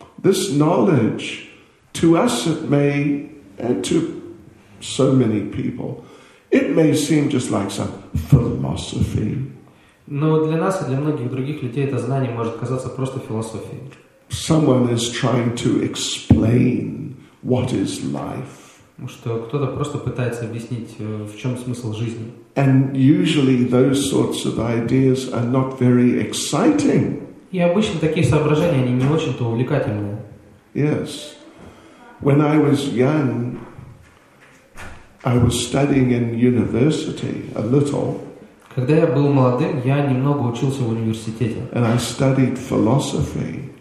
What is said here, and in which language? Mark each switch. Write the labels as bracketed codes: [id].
[en] This knowledge, to us it may, and to so many people, it may seem just like some philosophy. [ru] Но для нас и для многих других людей это знание может казаться просто философией. [en] Someone is trying to explain what is life. [ru] Что кто-то просто пытается объяснить, в чем смысл жизни. [en] And usually those sorts of ideas are not very exciting. [ru] И обычно такие соображения, они не очень-то увлекательные. [en] Yes. When I was young, I was studying in university a little. [ru] Когда я был молодым, я немного учился в университете. [en] And I studied philosophy.